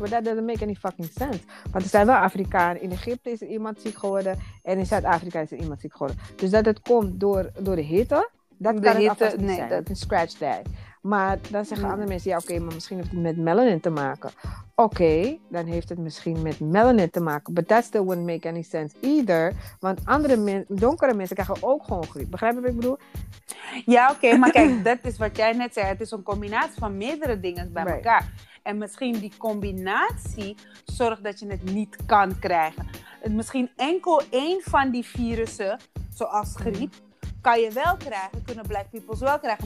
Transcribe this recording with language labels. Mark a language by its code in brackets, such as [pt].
[nl] Maar dat [en] doesn't make any fucking sense. [nl] Want er zijn wel Afrikanen. In Egypte is er iemand ziek geworden. En in Zuid-Afrika is er iemand ziek geworden. Dus dat het komt door de hitte. Dat kan het alvast niet zijn. Dat is een scratch day. Maar dan zeggen andere mensen, ja oké, maar misschien heeft het met melanin te maken. Oké, dan heeft het misschien met melanin te maken. [en] But that still wouldn't make any sense either. [nl] Want andere donkere mensen krijgen ook gewoon griep. Begrijp je wat ik bedoel? Ja, oké, maar kijk, dat is wat jij net zei. Het is een combinatie van meerdere dingen bij elkaar. En misschien die combinatie zorgt dat je het niet kan krijgen. Misschien enkel één van die virussen, zoals griep, kan je wel krijgen, kunnen black people wel krijgen.